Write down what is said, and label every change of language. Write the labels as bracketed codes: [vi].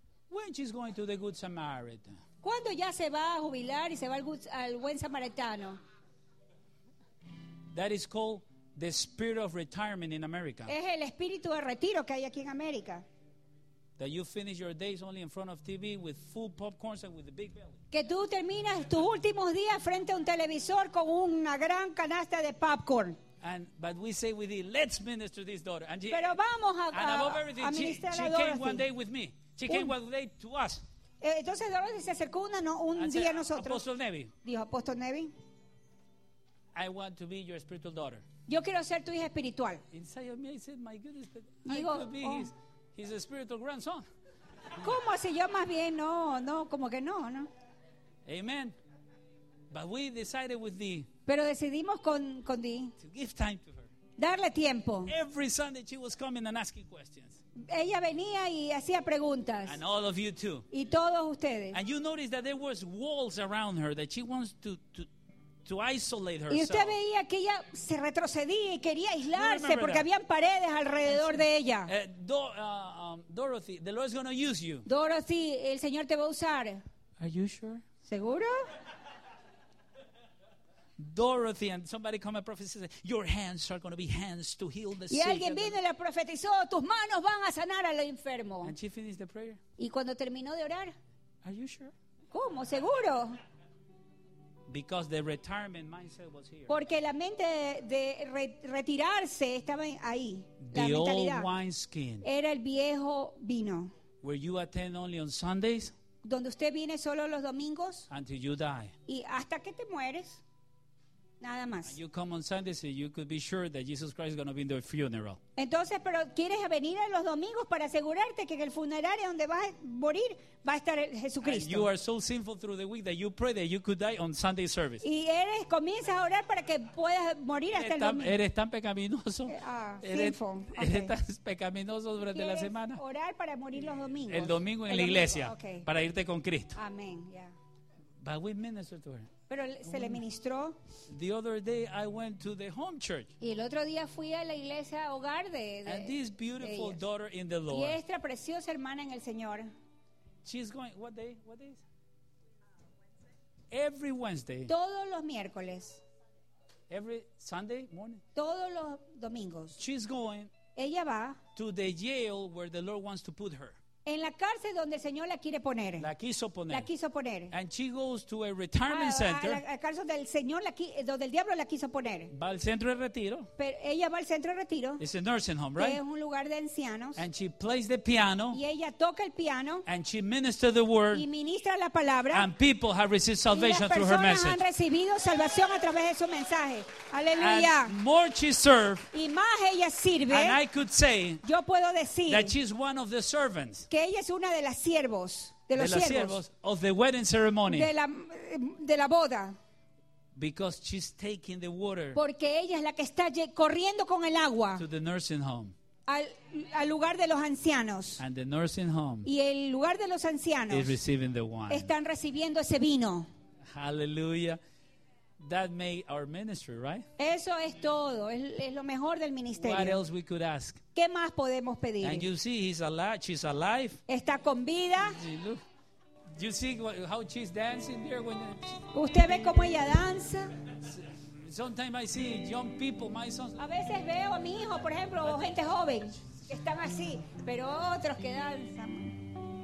[en] When she's going to the Good Samaritan. [es] ¿Cuándo ya se va a jubilar y se va al buen samaritano? [en] That is called the spirit of retirement in America. [es] Es el espíritu de retiro que hay aquí en América. [en] That you finish your days only in front of TV with full popcorns and with a big belly. [es] Que tú terminas tus últimos días frente a un televisor con una gran canasta de popcorn. [en] And but we say with you, let's minister this daughter. And she, [es] pero vamos a, [en] and above everything, [es] a ministrar [en] she [es] a Dorothy. [en] Came one day with me. She came one day to us. [es] Entonces Dorothy se acercó un día [en] said, [es] a nosotros. [en] Apostle Nevin. [es] Dijo Apostle Nevin. [en] I want to be your spiritual daughter. [es] Yo quiero ser tu hija espiritual. [en] Inside of me, I said, my goodness, but digo, I could be his. He's a spiritual grandson. [es] ¿Cómo si yo más bien no, como que no? [en] Amen. But we decided with Dee. [es] Pero decidimos con Dee. [en] To give time to her. [es] Darle tiempo. [en] Every Sunday she was coming and asking questions. [es] Ella venía y hacía preguntas. [en] And all of you too. [es] Y todos ustedes. [en] And you noticed that there was walls around her that she wants to isolate herself. [es] Y usted veía que ella se retrocedía y quería aislarse porque habían paredes alrededor de ella. [en] Dorothy, the Lord is going to use you. [es] Dorothy, el Señor te va a usar. [en] Are you sure? [es] ¿Seguro? [en] Dorothy, and somebody come and prophesy, your hands are going to be hands to heal the sick. [es] Y alguien vino y le profetizó, tus manos van a sanar al enfermo. [en] And she finished the prayer. [es] Y cuando terminó de orar. [en] Are you sure? [es] ¿Cómo? ¿Seguro? [en] Because the retirement mindset was here. [es] Porque la mente de retirarse estaba ahí. [en] The [es] la [en] old [es] mentalidad [en] wine skin. [es] Era el viejo vino. [en] Where you attend only on Sundays? [es] Donde usted viene solo los domingos? [en] Until you die. [es] Y hasta que te mueres. Nada más. [en] And you come on Sundays, so you could be sure that Jesus Christ is going to be in the funeral. [es] Entonces, pero quieres venir a los domingos para asegurarte que en el funeral donde vas a morir va a estar Jesucristo. [en] And you are so sinful through the week that you pray that you could die on Sunday service. [es] Y eres comienzas a orar para que puedas morir hasta el domingo. Eres tan pecaminoso. [en] Sinful. [es] Eres tan pecaminoso durante la semana. Quieres orar para morir los domingos. El domingo en el la domingo. Iglesia. [en] Okay. [es] Para irte con Cristo. Amén. [en] But we ministered to her. [es] Pero se le ministró. [en] The other day I went to the home church. [es] Y el otro día fui a la iglesia hogar de ellos. [en] And this beautiful daughter in the Lord. [es] Y esta preciosa hermana en el Señor. [en] She's going, what day is Wednesday. Every Wednesday. [es] Todos los miércoles. [en] Every Sunday morning. [es] Todos los domingos. [en] She's going [es] Ella va [en] to the jail where the Lord wants to put her. [es] En la cárcel donde el Señor la quiere poner. La quiso poner. La quiso poner. [en] And she goes to a retirement center. [es] A la cárcel del Señor la donde el diablo la quiso poner. Va al centro de retiro. Pero ella va al centro de retiro. [en] It's a nursing home, right? [es] Que es un lugar de ancianos. [en] And she plays the piano. [es] Y ella toca el piano. [en] And she ministers the word. [es] Y ministra la palabra. [en] And people have received salvation through her message. [es] Y las personas han recibido salvación a través de su mensaje. Aleluya. [en] And more she serves. [es] Y más ella sirve. [en] And I could say. [es] Yo puedo decir. [en] That she's one of the servants. [es] Que ella es una de las siervos de los siervos [en] of the wedding ceremony, [es] de la boda, [en] because she's taking the water, [es] porque ella es la que está corriendo con el agua, [en] to the nursing home, [es] al lugar de los ancianos, [en] and the nursing home, [es] y el lugar de los ancianos, [en] is receiving the wine, [es] están recibiendo ese vino. [en] Hallelujah. That made our ministry, right? [es] Eso es todo, es lo mejor del ministerio. [en] What else we could ask? [es] ¿Qué más podemos pedir? [en] And you see, he's alive, she's alive. [es] Está con vida. [en] You see how she's dancing there when she... [es] ¿Usted ve cómo ella danza? [en] Sometimes I see young people, my sons. [es] A veces veo a mi hijo, por ejemplo, o gente joven que están así, pero otros que danzan.